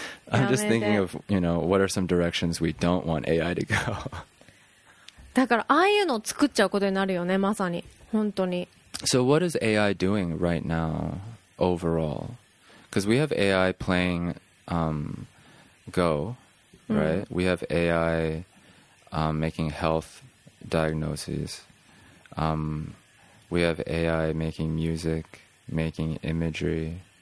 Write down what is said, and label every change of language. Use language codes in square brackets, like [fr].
[en] I'm just thinking of, you know, what are some directions we don't want AI to go. [ja] だからああいうのを作っちゃうことになるよね、まさに。本当に。 [en] So what is AI doing right now overall? Because we have AI playing Go, right? We have AI making health diagnoses. We have AI making music, making imagery.